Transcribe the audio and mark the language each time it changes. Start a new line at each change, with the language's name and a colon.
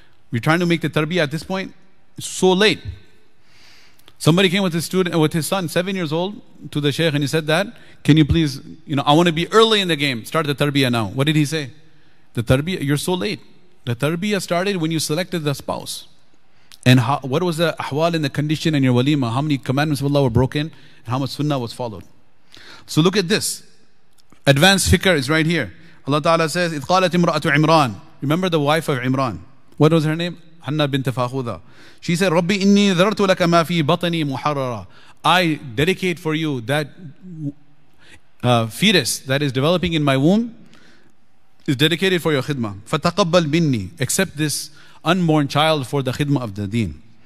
English: We're trying to make the tarbiyah at this point. It's so late. Somebody came with his student, with his son, 7 years old, to the sheikh, and he said that, can you please, you know, I want to be early in the game, start the tarbiyah now. What did he say? The tarbiyah, you're so late. The tarbiyah started when you selected the spouse. And what was the ahwal and the condition in your walima? How many commandments of Allah were broken? And how much sunnah was followed? So look at this. Advanced fikr is right here. Allah Ta'ala says,
Arabic: إِذْ قَالَتْ إِمْرَأَةُ عِمْرَانَ.
English: Remember the wife of Imran. What was her name? Hanna bint Fakhuda. She said,
Arabic: Rabbi inni dharartu laka ma fi batani muharrara.
English: I dedicate for you that fetus that is developing in my womb is dedicated for your khidmah.
Arabic: Fataqabbal minni.
English: Accept this unborn child for the khidmah of the deen.